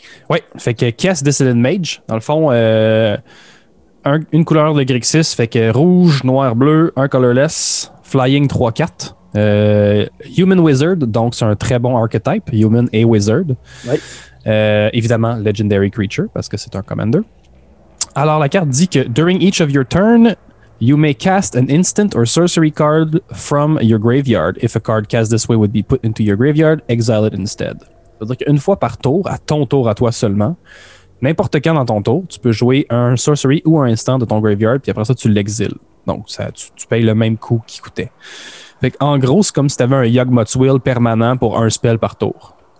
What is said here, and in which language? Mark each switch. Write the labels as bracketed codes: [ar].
[fr] Oui, fait que Kess, Dissident Mage, dans le fond, une couleur de Grixis, fait que rouge, noir, bleu, un colorless, flying 3-4. Human Wizard, donc c'est un très bon archetype, Human et Wizard. Ouais. Évidemment, Legendary Creature, parce que c'est un Commander. Alors, la carte dit que [en] during each of your turn, you may cast an instant or sorcery card from your graveyard. If a card cast this way would be put into your graveyard, exile it instead. [fr] C'est-à-dire qu'une fois par tour, à ton tour à toi seulement, n'importe quand dans ton tour, tu peux jouer un sorcery ou un instant de ton graveyard, puis après ça, tu l'exiles. Donc, ça, tu payes le même coût qu'il coûtait. Fait qu'en gros, c'est comme si tu avais un Yawgmoth's Will permanent pour un spell par tour.